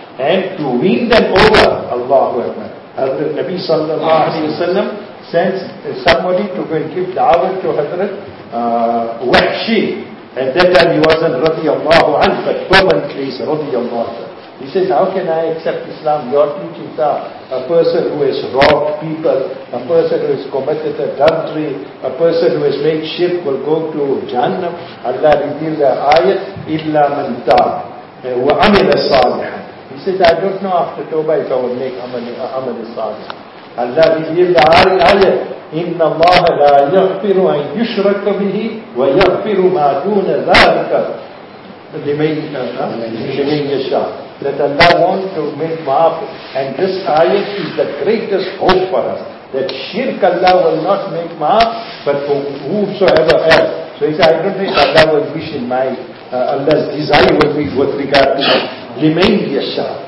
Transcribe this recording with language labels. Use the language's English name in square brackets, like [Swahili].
[English] And to wean them over, Allahu Akbar. Hazrat Nabi sallallahu alayhi wa sallam sends somebody to go and give da'wah to Hazrat Wahshi. At that time he wasn't radiyallahu anhu, but permanently he's radiyallahu anhu. He says, how can I accept Islam? Your teachings are a person who has robbed people, a person who has committed adultery, a person who has made shirk will go to Jahannam. Allah revealed the ayat, [Arabic] إِلَّا مَنْ تَابَ وَعَمِلَ الصَّالِحَ. [English] He says, I don't know after Tawbah if I will make Amal al-Salih. Allah revealed the ayat, [Arabic] إِنَّ اللَّهَ لَا يَغْفِرُ أَنْ يُشْرَكَ بِهِ وَيَغْفِرُ مَا دُونَ ذَلِكَ لِمَنْ يَشَاءُ. [English] That Allah wants to make maaf. And this ayat is the greatest hope for us. That shirk Allah will not make maaf, but for whosoever else. So he said, I don't think Allah will wish in my, Allah's desire will be with regard to that. [Arabic] لِمَنْ يَشَاءُ.